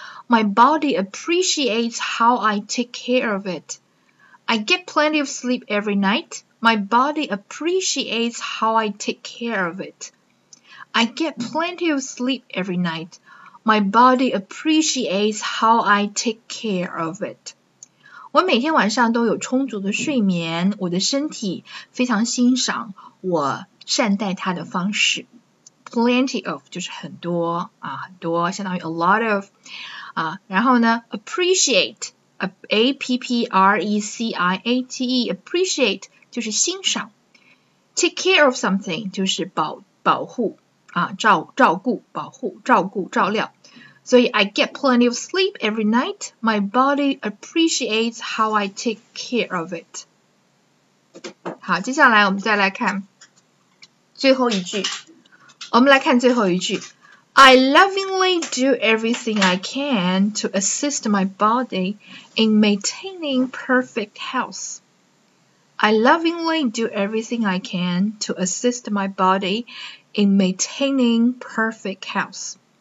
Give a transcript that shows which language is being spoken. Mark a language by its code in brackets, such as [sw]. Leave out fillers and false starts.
[en] My body appreciates how I take care of it. I get plenty of sleep every night. My body appreciates how I take care of it. I get plenty of sleep every night. My body appreciates how I take care of it. [zh] 我每天晚上都有充足的睡眠，我的身体非常欣赏我善待它的方式。 Plenty of 就是很多很多相当于 a lot of 然后呢 appreciate A-P-P-R-E-C-I-A-T-E appreciate就是欣赏 ，take care of something 就是保护照顾保护照料， [en] 所以 I get plenty of sleep every night. My body appreciates how I take care of it. [zh] 好，接下来我们再来看最后一句。我们来看最后一句。 [en] I lovingly do everything I can to assist my body in maintaining perfect health. I lovingly do everything I can to assist my body in maintaining perfect health.